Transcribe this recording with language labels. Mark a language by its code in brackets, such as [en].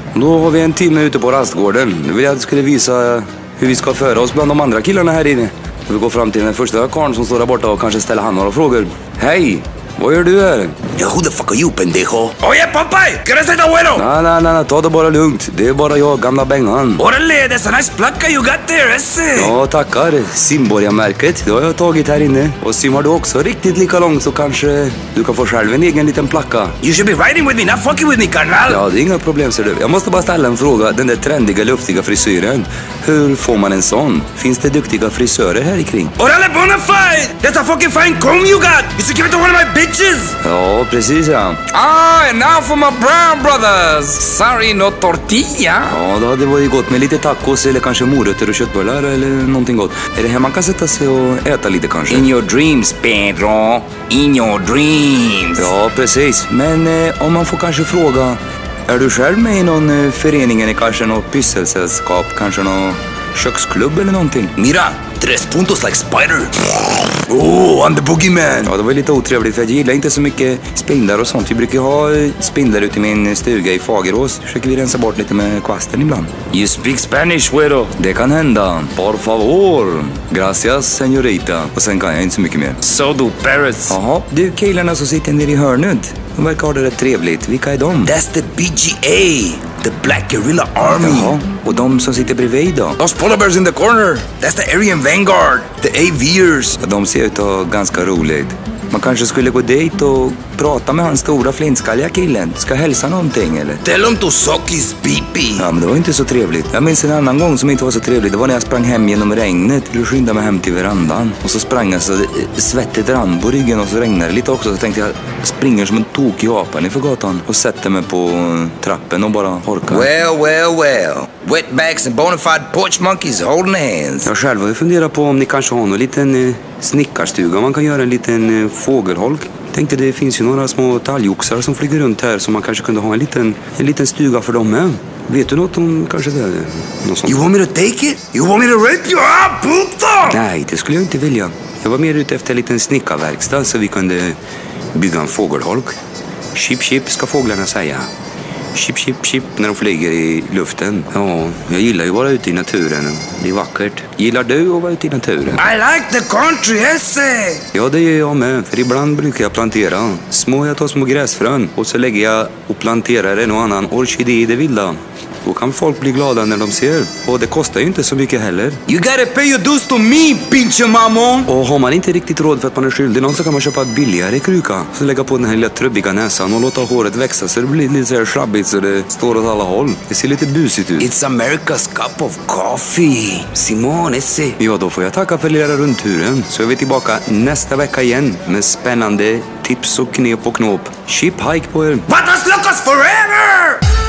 [sv] Nu har vi en timme ute på rastgården. Nu vill jag att du skulle visa hur vi ska föra oss bland de andra killarna här inne. Ska vi gå fram till den första karen som står där borta och kanske ställa han några frågor? Hej! Vad gör du här? [en] Ja, who the fuck are you, [es] pendejo? Oye, papay! ¿Quieres ser abuelo? [sv] Nej, ta det bara lugnt. Det är bara jag, gamla Bengan. [es] Orale, [en] that's a nice placa you got there, esse. [sv] Ja, tackar. Simborgarmärket, det har jag tagit här inne. Och simmar du också riktigt lika långt så kanske du kan få själv en egen liten placka. [en] You should be riding with me, not fucking with me, [es] carnal. [sv] Ja, det är inga problem, ser du. Jag måste bara ställa en fråga. Den där trendiga, luftiga frisyren. Hur får man en sån? Finns det duktiga frisörer här ikring? [es] Orale, bona fide! [en] That's a fucking fine comb you got! You should give it to one of my big. [sv] Ja, precis ja. [en] Ah, and now for my brown brothers. Sorry, no tortilla. [sv] Ja, då hade det varit gott med lite tacos eller kanske morötter och köttbullar eller någonting gott. Är det här man kan sätta sig och äta lite kanske? [en] In your dreams, Pedro. In your dreams. [sv] Ja, precis. Men om man får kanske fråga, är du själv med i någon förening eller kanske något pysselsällskap? Kanske någon köksklubb eller någonting? [es] Mira, tres puntos [en] like spider. Oh, I'm the boogeyman. [sv] Ja, det var lite otrevligt för jag gillar inte så mycket spindlar och sånt. Vi brukar ha spindlar ute i min stuga i Fagerås. Försöker vi rensa bort lite med kvasten ibland. [en] You speak Spanish, [es] güero. [sv] Det kan hända. [es] Por favor. Gracias, señorita. [sv] Och sen kan jag inte så mycket mer. [en] So do parrots. [sv] Jaha, du killarna som sitter nere i hörnet. De verkar ha det rätt trevligt. Vilka är de? [en] That's the BGA. The Black Guerrilla Army. [sv] Jaha. Och de som sitter bredvid då? [en] Those polar bears in the corner. That's the Aryan Vanguard. The AVers. [sv] De ser ut att ganska roligt. Man kanske skulle gå dit och prata med hans stora flintskalliga killen. Ska hälsa någonting eller? [en] Tell him to suck his pee-pee. [sv] Ja, men det var inte så trevligt. Jag minns en annan gång som inte var så trevligt. Det var när jag sprang hem genom regnet. Du skyndade mig hem till verandan. Och så sprang jag så svettet rann på ryggen och så regnade det lite också. Så tänkte jag springer som en tokig apa nerför gatan. Och sätter mig på trappen och bara horkar. [en] Well, well, well. Wetbacks and bonafide porch monkeys holding hands. [sv] Jag själv har ju funderat på om ni kanske har någon liten snickarstuga. Man kan göra en liten fågelholk. Tänkte det finns ju några små talgoxar som flyger runt här. Så man kanske kunde ha en liten stuga för dem med. Vet du något om kanske det är något sånt? [en] You want me to take it? You want me to rip you up, [es] puta? [sv] Nej, det skulle jag inte vilja. Jag var mer ute efter en liten snickarverkstad. Så vi kunde bygga en fågelholk. Chip chip ska fåglarna säga. Chip chip chip när de flyger i luften. Ja, jag gillar ju att vara ute i naturen. Det är vackert. Gillar du att vara ute i naturen? [en] I like the country, esse. [sv] Ja, det gör jag med. För ibland brukar jag plantera. Små, jag tar små gräsfrön. Och så lägger jag och planterar en och annan orkidé i det vilda. Då kan folk bli glada när de ser. Och det kostar ju inte så mycket heller. [en] You gotta pay your dues to me, [es] pinche mamma. [sv] Och har man inte riktigt råd för att man är skyldig någon så kan man köpa ett billigare kruka. Så lägga på den här lilla trubbiga näsan och låta håret växa så det blir lite så här shrubbigt så det står åt alla håll. Det ser lite busigt ut. [en] It's America's cup of coffee. [es] Simon, esse. [sv] Ja, då får jag tacka för lera rundturen. Så är vi tillbaka nästa vecka igen med spännande tips och knep och knop. Chip hike på er. [en] But us locos forever!